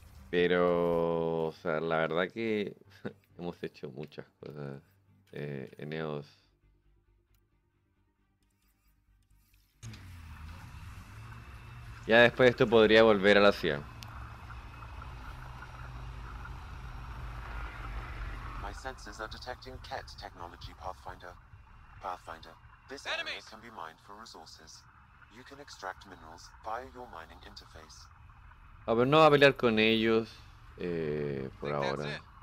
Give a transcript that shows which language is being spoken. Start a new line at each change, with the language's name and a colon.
Spanish: Pero, o sea, la verdad que hemos hecho muchas cosas. Eneos. Ya después de esto podría volver a la ciudad.
English: My senses are detecting Ket technology Pathfinder. Pathfinder. This area can be mined for resources. You can extract minerals via your mining interface.
Spanish: A ver, no va a pelear con ellos por
English: Think that's
Spanish: ahora.
English: it.